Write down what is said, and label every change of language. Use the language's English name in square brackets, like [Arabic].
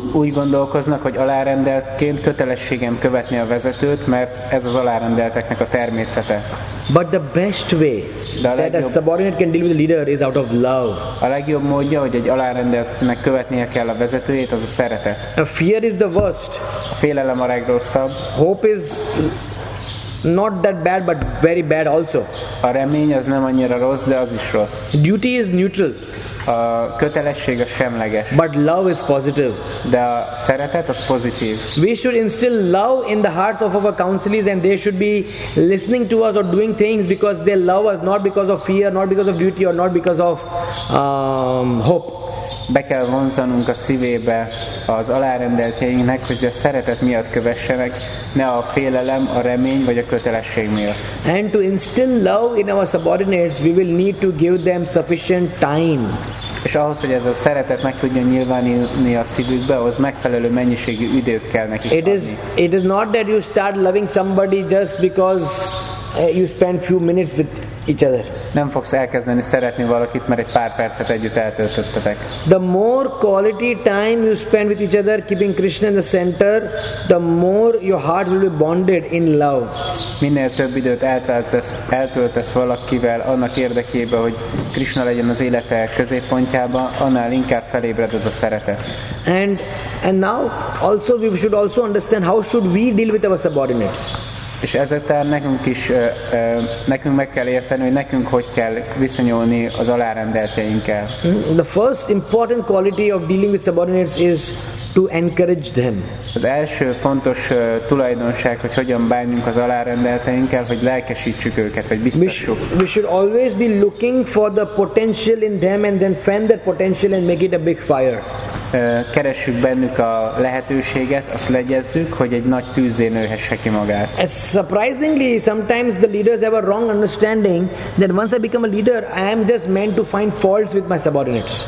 [Hungarian] Úgy gondolkoznak, hogy alárendeltként kötelességem követni a vezetőt, mert ez az alárendelteknek a természete. [English] But the best way that a subordinate can deal with the leader is out of love. [Hungarian] A legjobb módja, hogy egy alárendeltnek követnie kell a vezetőjét, az a szeretet. [English] A fear is the worst. [Hungarian] A félelem a legrosszabb. [English] Hope is not that bad, but very bad also. [Hungarian] A remény az nem annyira rossz, de az is rossz. [English] Duty is neutral. [Hungarian] A kötelesség a semleges. [English] But love is positive. [Hungarian] De a szeretet az pozitív. [English] We should instill love in the hearts of our counselees, and they should be listening to us or doing things because they love us, not because of fear, not because of duty, or not because of hope. [Hungarian] Be kell vonzanunk a szívébe az alárendeltjeinknek, hogy a szeretet miatt kövessenek, ne a félelem, a remény vagy a kötelesség miatt. [English] And to instill love in our subordinates, we will need to give them sufficient time. [Hungarian] És ahhoz, hogy ez a szeretet meg tudjon nyilvánulni a szívükbe, ahhoz megfelelő mennyiségű időt kell nekik adni. [English] It is not that you start loving somebody just because you spend few minutes with each other. [Hungarian] Nem fogsz elkezdeni szeretni valakit, mert egy pár percet együtt eltöltöttetek. [English] The more quality time you spend with each other, keeping Krishna in the center, the more your heart will be bonded in love. [Hungarian] Minél több időt eltöltesz valakivel annak érdekében, hogy Krishna legyen az élete középpontjában, annál inkább felébred ez a szeretet. [English] And now also we should also understand how should we deal with our subordinates. [Hungarian] És ezután nekünk is, nekünk meg kell érteni, hogy nekünk hogy kell viszonyulni az alárendelteinkkel. [English] The first important quality of dealing with subordinates is to encourage them. [Hungarian] Az első fontos tulajdonság, hogy hogyan bánjunk az alárendelteinkkel, hogy lelkesítsük őket, vagy biztassuk. [English] We should always be looking for the potential in them and then fan that potential and make it a big fire. [Hungarian] Keressük bennük a lehetőséget, azt legyezzük, hogy egy nagy tűzzé nőhesse ki magát. [English] As surprisingly, sometimes the leaders have a wrong understanding that once I become a leader, I am just meant to find faults with my subordinates.